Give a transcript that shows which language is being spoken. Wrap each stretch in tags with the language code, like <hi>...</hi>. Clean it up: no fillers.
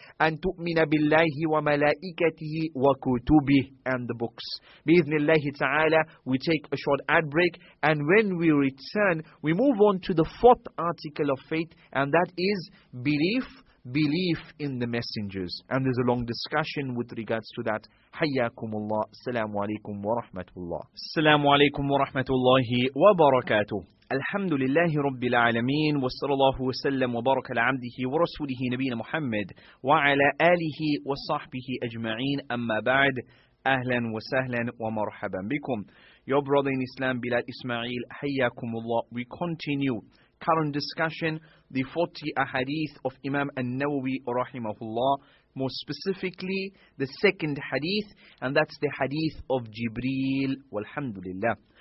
<en>And</en> <ar>تؤمن بالله وملائكته وكتبه,</ar> <en>and the books.</en> <ar>بإذن الله تعالى,</ar> <en>we take a short ad break, and when we return, we move on to the fourth article of faith, and that is belief in the messengers. And there's a long discussion with regards to that.</en> <ar>حياكم الله. السلام عليكم ورحمة الله. السلام عليكم ورحمة الله وبركاته. الحمد لله رب العالمين, وصلى الله وسلم وبارك على عبده ورسوله نبينا محمد وعلى آله وصحبه أجمعين. أما بعد, أهلا وسهلا ومرحبا بكم.</ar> <en>Your brother in Islam, Bilal Ismail,</en> <ar>حياكم الله.</ar> <en>We continue current discussion, the 40 ahadith of Imam An-Nawawi rahimahullah, more specifically the second hadith, and that's the hadith of Jibreel, walhamdulillah.</en>